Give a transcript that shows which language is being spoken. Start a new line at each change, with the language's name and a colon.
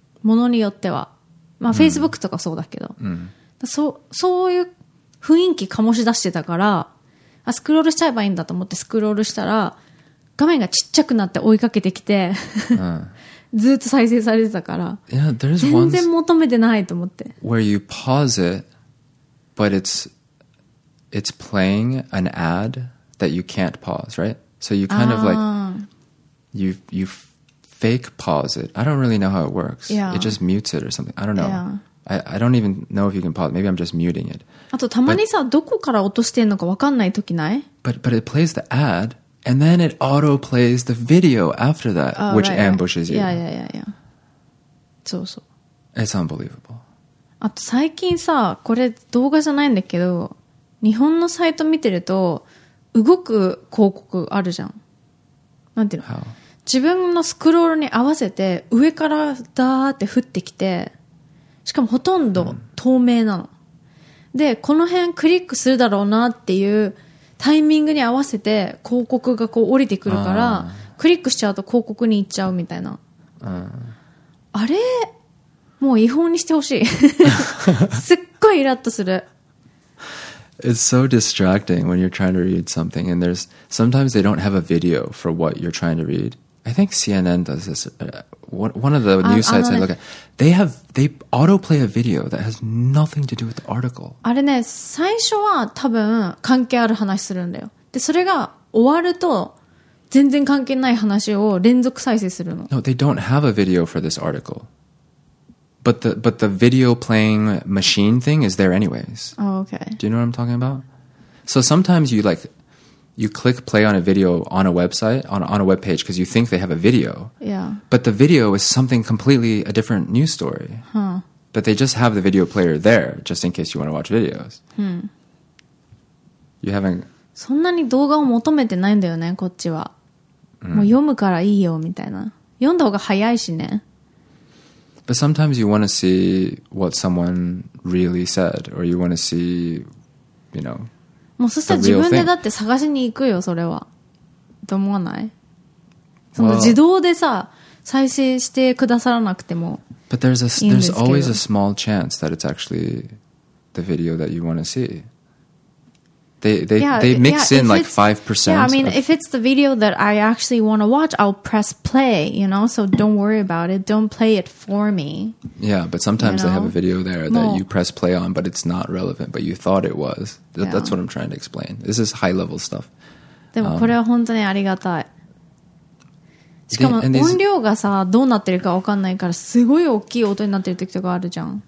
Japanese: ものによっては、まあ Facebook とかそうだけど、そういう雰囲気醸し出してたから、あスクロールしちゃえばいいんだと思ってスクロールしたら画面がちっちゃくなって追いかけてきて、ずっと再生されてたから、全然求めてないと思って。
English: Where you pause it, but it's playing an ad that you can't pause, right? So you kind of like. You fake pause it. I don't really know how it works. Yeah. It just mutes it or something. I don't know. Yeah. I don't even know if you can pause. Maybe I'm just muting it.
Japanese: あとたまにさ、どこから落としてんのか分かんない時ない?
English: But it plays the ad, and then it auto-plays the video after that, which right, ambushes right. you.
Japanese: Yeah. そうそう。
English: It's unbelievable.
Japanese: あと最近さ、これ動画じゃないんだけど、日本のサイト見てると、動く広告あるじゃん。なんていうの
English: How?
Japanese: 自分のスクロールに合わせて上からダーって降ってきて、しかもほとんど透明なの。で、この辺クリックするだろうなっていうタイミングに合わせて広告がこう降りてくるから、クリックしちゃうと広告に行っちゃうみたいな。あれ、もう違法にしてほしい。すっごいイラッとする。
English: It's so distracting when you're trying to read something and there's sometimes they don't have a video for what you're trying to read. I think CNN does this. One of the news sites I look at, they autoplay a video that has nothing to do with the article.
Japanese: あれね、最初は多分関係ある話するんだよ。で、それが終わると全然関係ない話を連続再生するの。
English: No, they don't have a video for this article. But the video playing machine thing is there anyways. Oh, okay. Do you know what I'm talking about? So sometimes you like, you click play on a video on a website, on a web page, because you think they have a video. Yeah. But the video is something completely a different news story. Huh. But they just have the video player there, just in case you want to watch videos. You haven't...
Japanese: そんなに動画を求めてないんだよね、こっちは。もう読むからいいよ、みたいな。読んだ方が早いしね。
English: But sometimes you want to see what someone really said, or you want to see, you know,
Japanese: もうそしたら自分でだって探しに行くよ、それは。と思わない? その自動でさ、再生してくださらなくても。
English: But there's always a small chance that it's actually the video that you want to see. They mix in like 5%. Yeah, I mean, if it's the video that I actually want to watch, I'll press play, you know? So don't worry about it. Don't play it for me. Yeah, but sometimes they have a video there that you press play on, but it's not relevant, but you thought it was. That's what I'm trying to explain. This is high-level stuff.
Japanese: でもこれは本当にありがたい。しかも音量がさ、どうなってるか分かんないから、すごい大きい音になってる時とかあるじゃん。